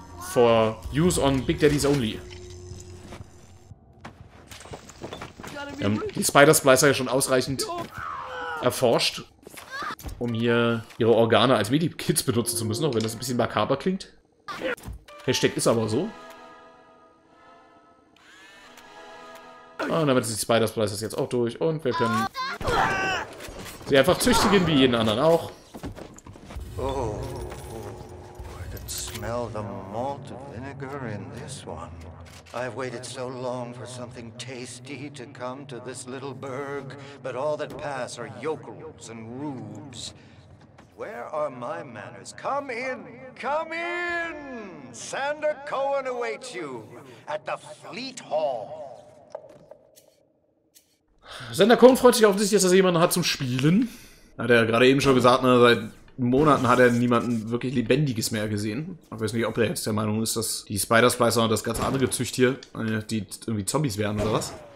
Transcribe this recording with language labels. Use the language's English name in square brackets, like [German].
[English] For use on Big Daddies only. [German] Wir haben die Spider-Splicer ja schon ausreichend erforscht, um hier ihre Organe als Medikits benutzen zu müssen, auch wenn das ein bisschen makaber klingt. Hashtag ist aber so. Und damit sind die Spider-Splicers jetzt auch durch und wir können sie einfach züchtigen wie jeden anderen auch. [English] Oh, I can smell the malt vinegar in this one. I've waited so long for something tasty to come to this little burg, but all that pass are yokels and rubes. Where are my manners? Come in! Come in! Sander Cohen awaits you at the Fleet Hall. [German] Sander Cohen freut sich offensichtlich, dass er jemanden hat zum Spielen. Hat er gerade eben schon gesagt, ne, seit Monaten hat er niemanden wirklich Lebendiges mehr gesehen. Ich weiß nicht, ob er jetzt der Meinung ist, dass die Spider-Splicer und das ganze andere Gezücht hier, die irgendwie Zombies wären oder was.